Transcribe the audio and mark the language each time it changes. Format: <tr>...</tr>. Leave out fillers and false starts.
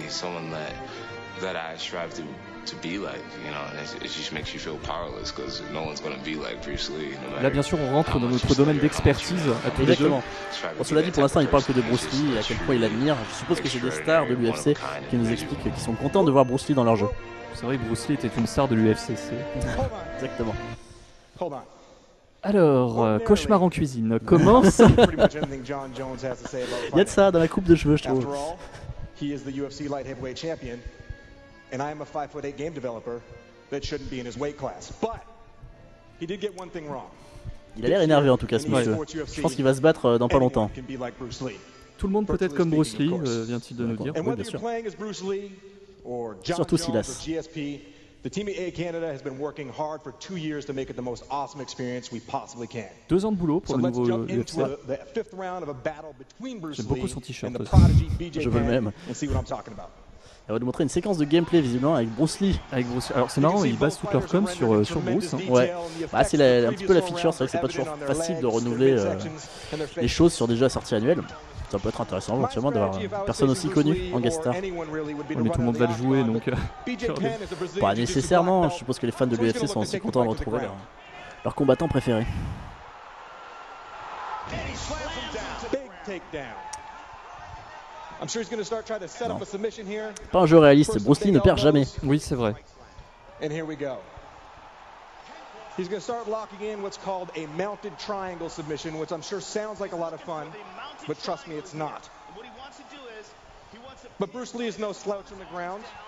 <en>He's someone that I strive to be like, you know, it just makes you feel powerless because no one's gonna be like Bruce Lee. No matter.</en> <fr>Là, bien sûr, on rentre dans notre domaine d'expertise à tous les deux. On se l'a dit pour l'instant, il parle que de Bruce Lee et à quel point il admire. Je suppose que c'est des stars de l'UFC qui nous expliquent qu'ils sont contents de voir Bruce Lee dans leur jeu. C'est vrai que Bruce Lee était une star de l'UFC. Exactement.</fr> <en>Hold on.</en> <fr>Alors, cauchemar en cuisine commence. Il y a de ça dans la coupe de cheveux, je trouve.</fr> <en>He is the UFC light heavyweight champion. And I am a 5'8" game developer that shouldn't be in his weight class. But he did get one thing wrong.</en> <fr>Il a l'air énervé en tout cas ce monsieur. Je pense qu'il va se battre dans pas longtemps. Tout le monde peut être comme Bruce Lee, vient-il de nous dire. Oui, bien sûr.</fr> <en>Playing as Bruce Lee or John Surtout Jones Silas. Or GSP, the team at EA Canada has been working hard for 2 years to make it the most awesome experience we possibly can.</en> <fr>2 ans de boulot pour le nouveau UFC.</fr> <en>The fifth round of a battle between Bruce Lee and the prodigy BJ.</en> <fr>Je veux le même.</fr> <en>And see what I'm talking about.</en> <fr>Elle va nous montrer une séquence de gameplay visiblement avec Bruce Lee. Avec Bruce. Alors c'est marrant, ils basent toute leur com sur Bruce. Hein. Ouais. Bah, c'est un petit peu la feature, c'est vrai que c'est pas toujours facile de renouveler les choses sur des jeux à sortie annuelle. Ça peut être intéressant éventuellement d'avoir une personne aussi connue en guest star. Ouais, mais tout le monde va le jouer donc. Pas nécessairement, je suppose que les fans de l'UFC sont aussi contents de retrouver leur combattant préféré.</fr> <en>I'm sure he's going to start trying to set up a submission here.</en> <fr>Pas un jeu réaliste, Bruce Lee ne perd jamais. Oui, c'est vrai.</fr> <en>And here we go. He's going to start locking in what's called a mounted triangle submission, which I'm sure sounds like a lot of fun, but trust me, it's not. What he wants to do is he wants to But Bruce Lee is no slouch on the ground.</en>